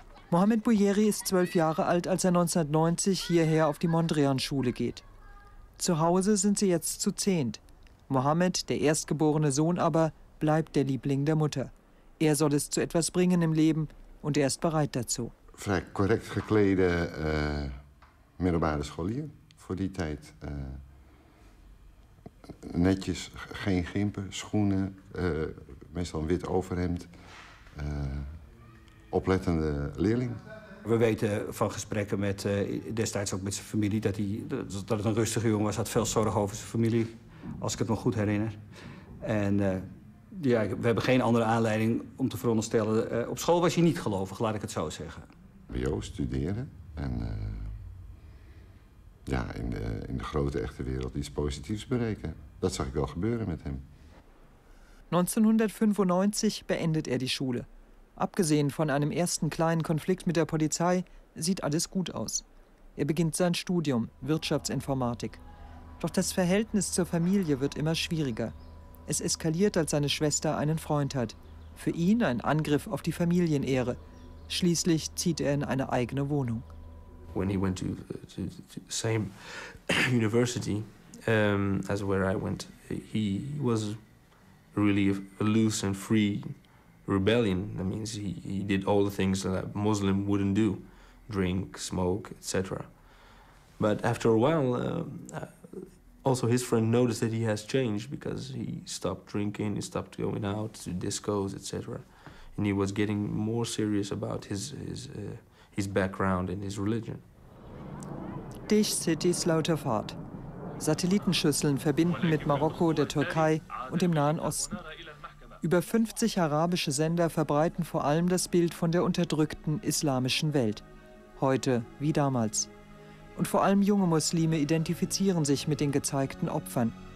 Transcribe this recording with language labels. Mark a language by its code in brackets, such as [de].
[de] Mohammed Bouyeri ist 12 Jahre alt, als er 1990 hierher auf die Mondrian-Schule geht. Zu Hause sind sie jetzt zu 10. Mohammed, der erstgeborene Sohn, aber bleibt der Liebling der Mutter. Er soll es zu etwas bringen im Leben und er ist bereit dazu. [nl] Vrij correct geklede middelbare scholier voor die tijd. Netjes, geen gimpen, schoenen, meestal een wit overhemd. Oplettende leerling. We weten van gesprekken met destijds ook met zijn familie dat hij dat het een rustige jongen was. Had veel zorg over zijn familie, als ik het me goed herinner. En ja, we hebben geen andere aanleiding om te veronderstellen. Op school was hij niet gelovig, laat ik het zo zeggen. BO studeren en ja, in de grote echte wereld iets positiefs bereiken. Dat zag ik wel gebeuren met hem. [de] 1995 beendet er die Schule. Abgesehen von einem ersten kleinen Konflikt mit der Polizei sieht alles gut aus. Er beginnt sein Studium, Wirtschaftsinformatik. Doch das Verhältnis zur Familie wird immer schwieriger. Es eskaliert, als seine Schwester einen Freund hat. Für ihn ein Angriff auf die Familienehre. Schließlich zieht er in eine eigene Wohnung. [en] When he went to the same university as where I went, he was really a loose and free rebellion. That means he did all the things that a Muslim wouldn't do, drink, smoke, etc. But after a while, also his friend noticed that he has changed because he stopped drinking, he stopped going out to discos, etc. And he was getting more serious about his background and his religion. [de] Dish City's lauter Fahrt. Satellitenschüsseln verbinden mit Marokko, der Türkei und dem Nahen Osten. Über 50 arabische Sender verbreiten vor allem das Bild von der unterdrückten islamischen Welt. Heute wie damals. Und vor allem junge Muslime identifizieren sich mit den gezeigten Opfern.